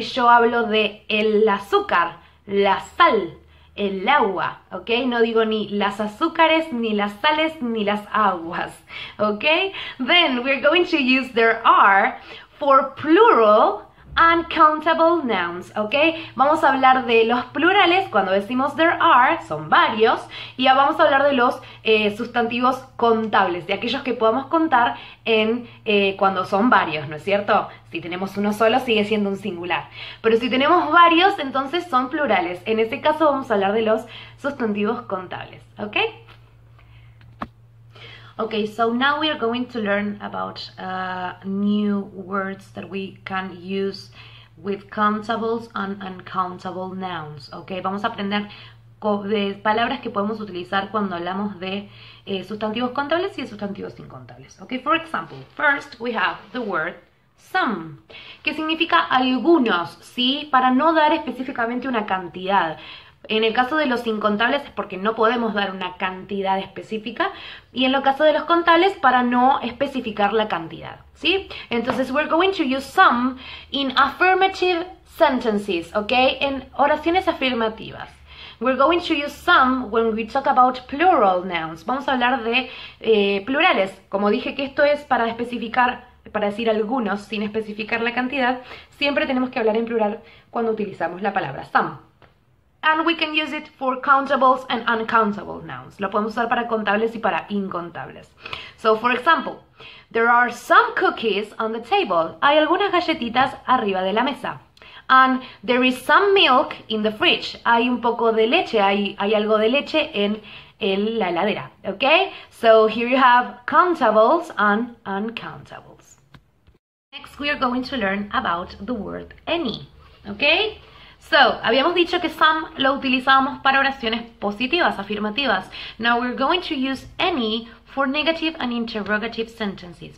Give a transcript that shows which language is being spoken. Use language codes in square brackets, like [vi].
[es] Yo hablo de el azúcar, la sal, el agua, ¿ok? No digo ni las azúcares, ni las sales, ni las aguas, ¿ok? [en] Then we're going to use there are for plural uncountable nouns, ¿ok? [es] Vamos a hablar de los plurales cuando decimos there are, son varios, y vamos a hablar de los sustantivos contables, de aquellos que podamos contar en cuando son varios, ¿no es cierto? Si tenemos uno solo sigue siendo un singular, pero si tenemos varios entonces son plurales. En ese caso vamos a hablar de los sustantivos contables, ¿ok? [en] Okay, so now we are going to learn about new words that we can use with countables and uncountable nouns. [es] Okay, vamos a aprender de palabras que podemos utilizar cuando hablamos de sustantivos contables y de sustantivos incontables. [en] Okay, for example, first we have the word some, [es] que significa algunos, [en] ¿sí? [es] Para no dar específicamente una cantidad. En el caso de los incontables es porque no podemos dar una cantidad específica. Y en el caso de los contables, para no especificar la cantidad, ¿sí? [en] Entonces, we're going to use some in affirmative sentences, ¿ok? [es] En oraciones afirmativas. [en] We're going to use some when we talk about plural nouns. [es] Vamos a hablar de plurales. Como dije que esto es para especificar, para decir algunos, sin especificar la cantidad, siempre tenemos que hablar en plural cuando utilizamos la palabra some. [en] And we can use it for countables and uncountable nouns. [es] Lo podemos usar para contables y para incontables. [en] So, for example, there are some cookies on the table. [es] Hay algunas galletitas arriba de la mesa. [en] And there is some milk in the fridge. [es] Hay un poco de leche, hay algo de leche en la heladera. [en] Okay? So, here you have countables and uncountables. Next, we are going to learn about the word any. Okay? [es] So, habíamos dicho que some lo utilizábamos para oraciones positivas, afirmativas. [en] Now we're going to use any for negative and interrogative sentences.